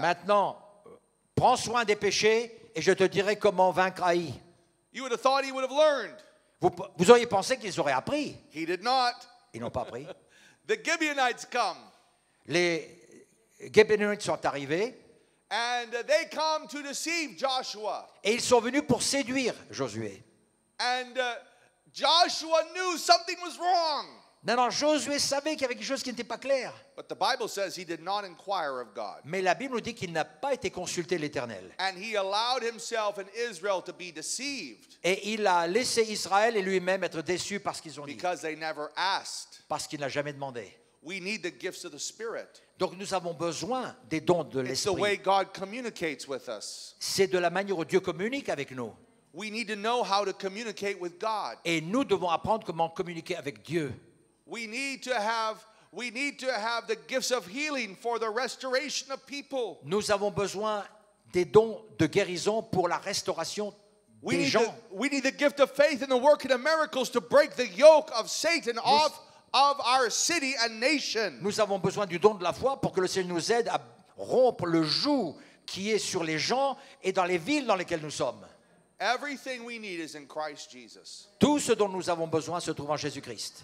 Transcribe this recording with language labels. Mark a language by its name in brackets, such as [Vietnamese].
[French] Maintenant, prends soin des péchés et je te dirai comment vaincre Ai. [English] You would have thought he would have learned. [French] Vous auriez pensé qu'ils auraient appris. [English] He did not. [French] Ils n'ont pas appris. [English] The Gibeonites come. [French] Les Gibeonites sont arrivés. [English] And they come to deceive Joshua. [French] Et ils sont venus pour séduire Josué. [English] And Joshua knew something was wrong. [French] Non, Josué savait qu'il y avait quelque chose qui n'était pas clair. [English] But the Bible says he did not inquire of God. [French] Mais la Bible nous dit qu'il n'a pas été consulté l'Éternel. [English] And he allowed himself and Israel to be deceived. [French] Et il a laissé Israël et lui-même être déçu parce qu'ils ont dit. [English] Because they never asked. [French] Parce qu'il n'a jamais demandé. [English] We need the gifts of the Spirit. [French] Donc nous avons besoin des dons de l'Esprit. [English] It's the way God communicates with us. [French] C'est de la manière où Dieu communique avec nous. [English] We need to know how to communicate with God. [French] Et nous devons apprendre comment communiquer avec Dieu. [English] We need to have the gifts of healing for the restoration of people. [French] Nous avons besoin des dons de guérison pour la restauration des gens. [English] We need the gift of faith and the working of miracles to break the yoke of Satan off of our city and nation. [French] Nous avons besoin du don de la foi pour que le Seigneur nous aide à rompre le joug qui est sur les gens et dans les villes dans lesquelles nous sommes. [English] Everything we need is in Christ Jesus. [French] Tout ce dont nous avons besoin se trouve en Jésus-Christ.